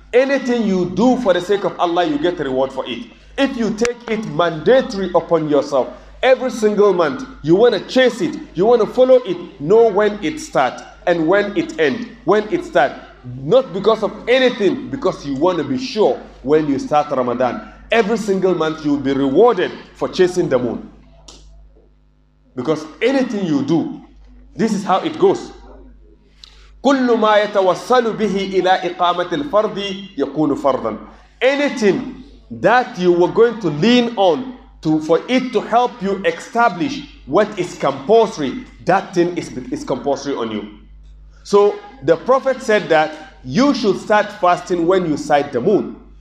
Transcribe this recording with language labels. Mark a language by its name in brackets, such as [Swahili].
[English] Anything you do for the sake of Allah, you get a reward for it. If you take it mandatory upon yourself, every single month, you want to chase it, you want to follow it, know when it starts and when it ends, when it starts. Not because of anything, because you want to be sure when you start Ramadan. Every single month, you'll be rewarded for chasing the moon. Because anything you do, this is how it goes. [Arabic] كل ما يتوصل به إلى إقامة الفرض يكون فرضا. [English] Anything that you were going to lean on to for it to help you establish what is compulsory, that thing is compulsory on you. So the Prophet said that you should start fasting when you sight the moon.